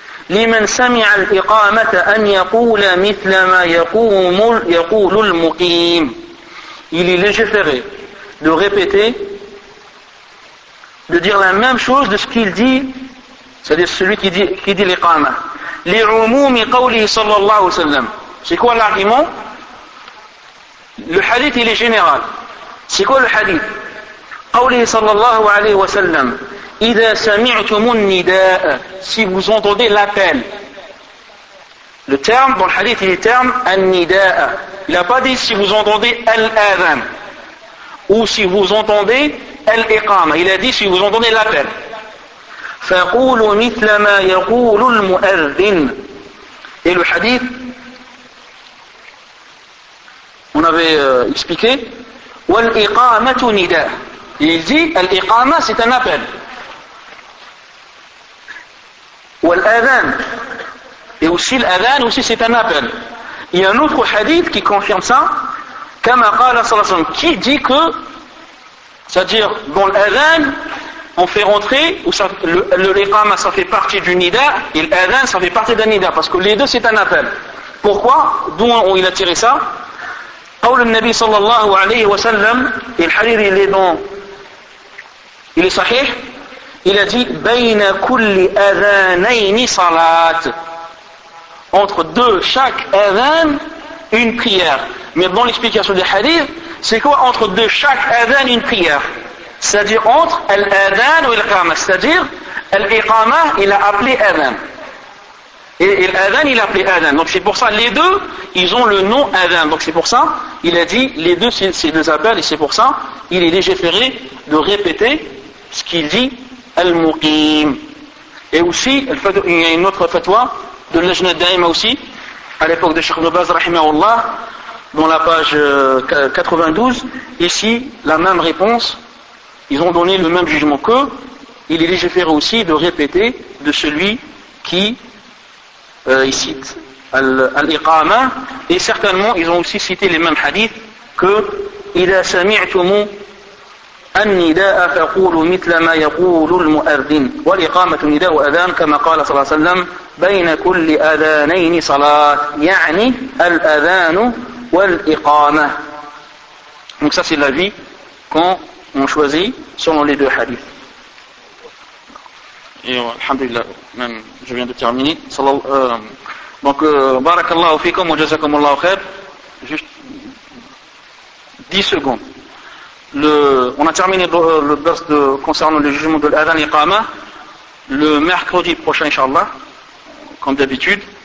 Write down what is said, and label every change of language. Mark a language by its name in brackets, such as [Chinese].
[Arabic] لمن سمع الإقامة أن يقول مثل ما يقول المقيم. [French] Il est légiféré de répéter, de dire la même chose de ce qu'il dit, c'est-à-dire celui qui dit الإقامة. [Arabic] لعموم قوله صلى الله عليه وسلم. [French] C'est quoi l'argument? Le hadith il est général. C'est quoi le hadith? [Arabic] قوله صلى الله عليه وسلم إذا سمعتم النداء. [French] Si vous entendez l'appel. Le terme dans le hadith il est terme النداء. Il n'a pas dit si vous entendez الأذان ou si vous entendez الإقامة. Il a dit si vous entendez l'appel. [Arabic] فقولوا مثل ما يقول المؤذن. [French] Et le hadith on avait expliqué [Arabic] وَالْإِقَامَةُ نِدَاءٌ. [French] Il dit الإقامة c'est un appel. [Arabic] وَالْأَذَانُ. [French] Et aussi l'adhan aussi c'est un appel. Il y a un autre hadith qui confirme ça [Arabic] كَمَا قَالَ صَلَى اللَّهُ عَلَيْهِ [French] وَسَلَّمَ. Qui dit que, c'est-à-dire dans l'adhan on fait rentrer ou ça, l'إقامة ça fait partie du nida et l'adhan ça fait partie d'un nida parce que les deux c'est un appel. Pourquoi? D'où il a tiré ça? [Arabic] قول النبي صلى الله عليه وسلم الحديث اللي دون [French] Il est sahih. Il a dit [Arabic] Bayna kulli adhanayni salat. [French] Entre deux, chaque adhan, une prière. Mais dans l'explication des hadiths, c'est quoi entre deux, chaque adhan, une prière? C'est-à-dire entre l'adhan ou l'iqama. C'est-à-dire, l'iqama, il a appelé adhan. Et l'adhan, il a appelé adhan. Donc c'est pour ça, les deux, ils ont le nom adhan. Donc c'est pour ça, il a dit, les deux, c'est deux appels. Et c'est pour ça, il est légiféré de répéter ce qu'il dit, al-muqim. Et aussi, il y a une autre fatwa de l'ajna d'aïma aussi, à l'époque de Cheikh Nobaz, rahimahullah, dans la page 92. Ici, la même réponse. Ils ont donné le même jugement qu'eux. Il est légiféré aussi de répéter de celui qui cite Al-Iqama. Et certainement, ils ont aussi cité les mêmes hadiths que [Arabic] إِذَا سَمِعْتُمُ أَنِّدَاءَ فَقُولُ مِثْلَ مَا يَقُولُ الْمُؤَذِّنُ وَالْإِقَامَةُ نِدَاءُ أَذَانٍ كَمَا قَالَ صَلَى اللَّهُ عَلَيْهِ وَسَلَّمَ بَيْنَ كُلِّ أَذَانَيْنِ صَلَاةٍ يعني الْأَذَانُ وَالْإِقَامَةُ. [French] Donc ça c'est la vie quand on choisit selon les deux hadiths. Et alhamdulillah, même je viens de terminer. Donc barakallahu fikum wa jazakumullahu khair. Juste 10 secondes. On a terminé le verse concernant le jugement de l'adhan iqama le mercredi prochain, inshallah, comme d'habitude.